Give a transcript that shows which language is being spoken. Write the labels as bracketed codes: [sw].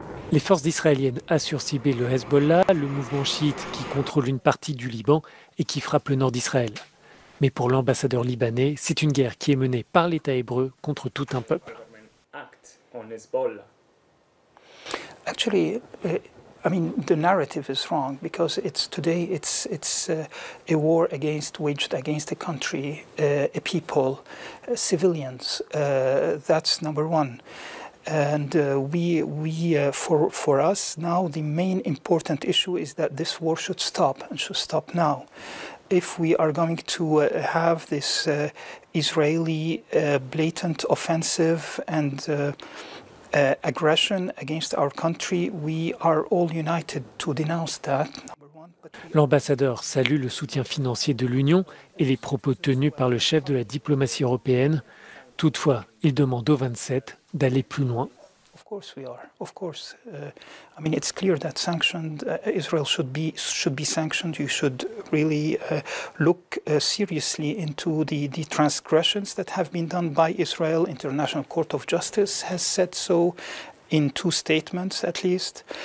[fr] Les forces israéliennes assurent cibler le Hezbollah, le mouvement chiite qui contrôle une partie du Liban et qui frappe le nord d'Israël. Mais pour l'ambassadeur libanais, c'est une guerre qui est menée par l'État hébreu contre tout un peuple. [en] Actually, I mean, the narrative is wrong because it's today it's a war against waged against a country, a people, civilians. That's number one. And for us now the main important issue is that this war should stop and should stop now. If we are going to have this Israeli blatant offensive and aggression against our country, we are all united to denounce that. [fr] L'ambassadeur salue le soutien financier de l'Union et les propos tenus par le chef de la diplomatie européenne. Toutefois, il demande aux 27 d'aller plus loin. [en] Of course we are. Of course, I mean it's clear that sanctioned Israel should be sanctioned. You should really look seriously into the transgressions that have been done by Israel. International Court of Justice has said so, in two statements at least.